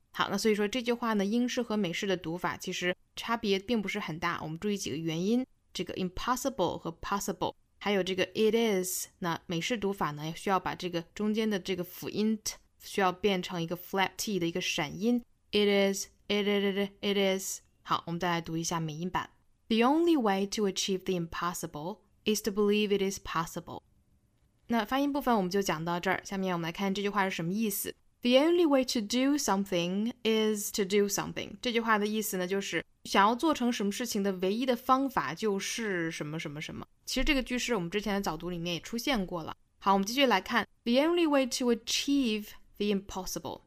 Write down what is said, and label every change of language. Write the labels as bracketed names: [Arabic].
[Chinese] 好，那所以说这句话呢英式和美式的读法其实差别并不是很大，我们注意几个原因，这个 impossible 和 possible 还有这个 it is， 那美式读法呢需要把这个中间的这个辅音 t 需要变成一个 flat t 的一个闪音 it is。好，我们再来读一下美音版。 [English] The only way to achieve the impossible is to believe it is possible。 [Chinese] 那发音部分我们就讲到这儿，下面我们来看这句话是什么意思。 [English] The only way to do something [Chinese] is to do something， 这句话的意思呢就是想要做成什么事情的唯一的方法就是什么什么什么。其实这个句式我们之前的早读里面也出现过了。好，我们继续来看。 [English] The only way to achieve the impossible.